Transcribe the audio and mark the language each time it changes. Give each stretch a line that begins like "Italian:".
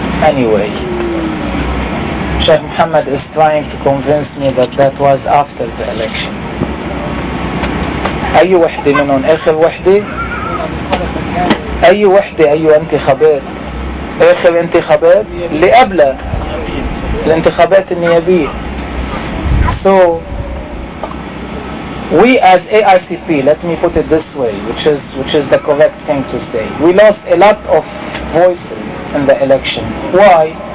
English: Anyway, Sheikh Muhammad is trying to convince me that that was after the election.
Arabic: أي وحدة منهم؟ آخر وحدة؟ أي وحدة؟ أي انتخابات؟ آخر انتخابات؟ اللي قبلها الانتخابات النيابية.
English: So we as AICP, let me put it this way, which is the correct thing to say, we lost a lot of voices in the election. Why?